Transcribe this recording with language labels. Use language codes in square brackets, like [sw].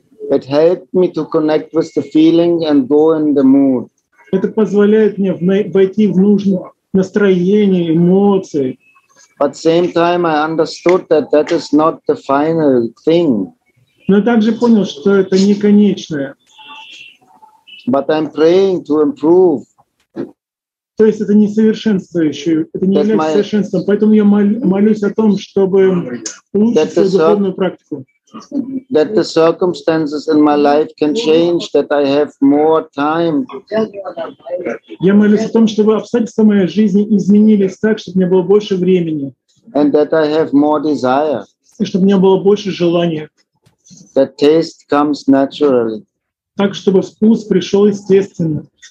[en] It helped me to connect with the feeling and go in the mood. [ru] Это позволяет мне войти в нужное настроение, эмоции. [en] But same time I understood that that is not the final thing. [ru] Но также понял, что это не конечное. [en] But I'm praying to improve. [ru] То есть это не совершенство еще, это не является совершенством. Поэтому я молюсь о том, чтобы улучшить свою духовную практику. [en] That the circumstances in my life can change, that I have more time. [ru] Я молюсь о том, чтобы обстоятельства моей жизни изменились так, чтобы у меня было больше времени. [en] And that I have more desire. [ru] И чтобы у меня было больше желания. [en] That taste comes naturally. [ru] Так, чтобы вкус пришел естественно.